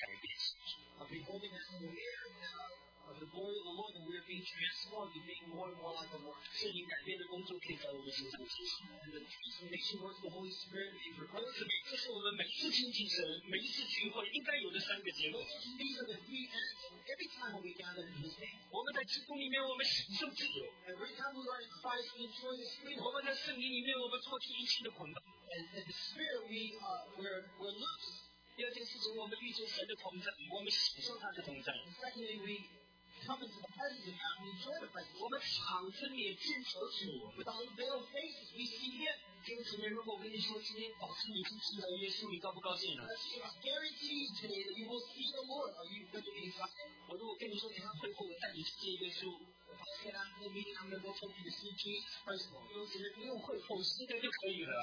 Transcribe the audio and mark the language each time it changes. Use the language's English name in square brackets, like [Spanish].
[English] Of the glory of the Lord, and we are being transformed and being more and more like the Lord. [Chinese] 圣灵改变的工作可以在我们身上进行。 [English] And the transformation works of the Holy Spirit may progress. [Chinese] 这是我们每次亲近神、每次聚会应该有的三个结论。 [English] These are the three ends. Every time we gather in His name, [Chinese] 我们在基督里面我们享受自由。 [English] Every time we are in Christ, we enjoy His freedom. [Chinese] 我们在圣灵里面我们脱去一切的捆绑。 [English] And in the Spirit, we're loose. [Chinese] 第二件事情，我们遇见神的同在，我们享受他的同在。 [English] Secondly, we come into the presence of God and enjoy the presence. [Chinese] 我们敞开眼睛求主。 [English] With our veiled faces, we see Him. [Chinese] 弟兄姊妹，如果我跟你说今天保持你敬虔的耶稣，你高不高兴呢？ [English] I guarantee today that you will see the Lord. Are you going to be excited? [Chinese] 我如果跟你说等下会后我带你去见耶稣。 [English] If I said after the meeting I'm going to go talk to you to see Jesus first of all. [Chinese] 弟兄姊妹，不用会后，现在就可以了。